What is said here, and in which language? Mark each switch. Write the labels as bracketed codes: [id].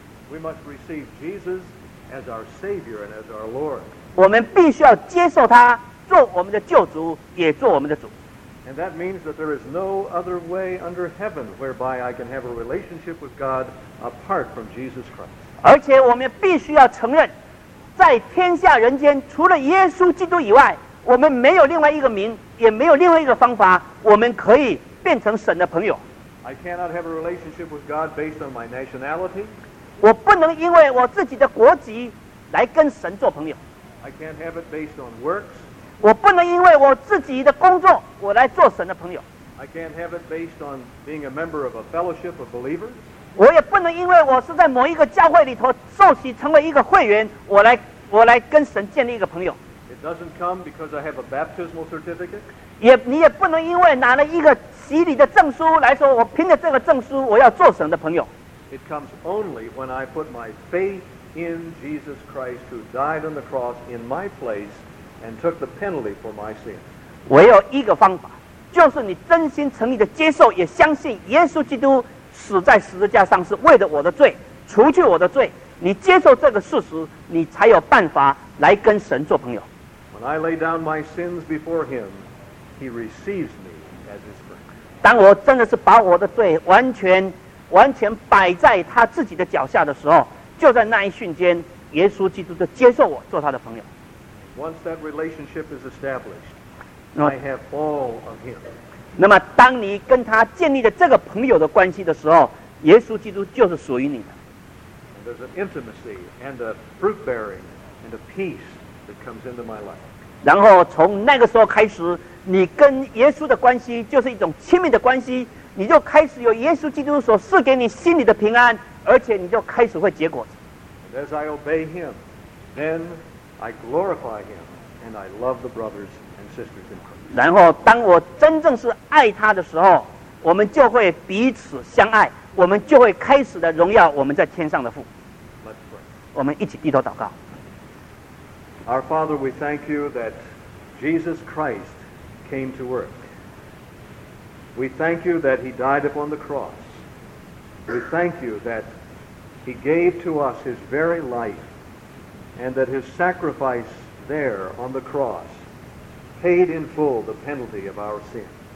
[en] We must receive Jesus as our Savior and as our Lord. [zh] 我们必须要接受他，做我们的救主，也做我们的主。 [en] And that means that there is no other way under heaven whereby I can have a relationship with God apart from Jesus Christ. [zh] 而且我们必须要承认，在天下人间，除了耶稣基督以外，我们没有另外一个名，也没有另外一个方法，我们可以变成神的朋友。 [en] I cannot have a relationship with God based on my nationality. [zh] 我不能因为我自己的国籍来跟神做朋友。 [en] I can't have it based on works. [zh] 我不能因为我自己的工作，我来做神的朋友。 [en] I can't have it based on being a member of a fellowship of believers. [zh] 我也不能因为我是在某一个教会里头受洗成为一个会员，我来跟神建立一个朋友。 [en] It doesn't come because I have a baptismal certificate. [zh] 你也不能因为拿了一个洗礼的证书来说，我凭着这个证书我要做神的朋友。 [en] It comes only when I put my faith in Jesus Christ, who died on the cross in my place and took the penalty for my sin. [zh] 唯有一个方法，就是你真心诚意的接受，也相信耶稣基督死在十字架上是为了我的罪，除去我的罪。你接受这个事实，你才有办法来跟神做朋友。 [en] When I lay down my sins before Him, He receives me as His friend. [zh] 当我真的是把我的罪完全摆在他自己的脚下的时候，就在那一瞬间，耶稣基督就接受我做他的朋友。 [en] Once that relationship is established, I have all of Him. [zh] 那么，当你跟他建立了这个朋友的关系的时候，耶稣基督就是属于你的。 [en] There's an intimacy and a fruit bearing and a peace that comes into my life. [zh] 然后从那个时候开始，你跟耶稣的关系就是一种亲密的关系，你就开始有耶稣基督所赐给你心里的平安，而且你就开始会结果子。 [en] And as I obey Him, then I glorify Him and I love the brothers and sisters in Christ. [zh] 然后当我真正是爱他的时候，我们就会彼此相爱，我们就会开始的荣耀我们在天上的父。我们一起低头祷告。 [en] Our Father, we thank you that Jesus Christ came to earth. We thank you that He died upon the cross. We thank you that He gave to us His very life, and that His sacrifice there on the cross paid in full the penalty of our sin.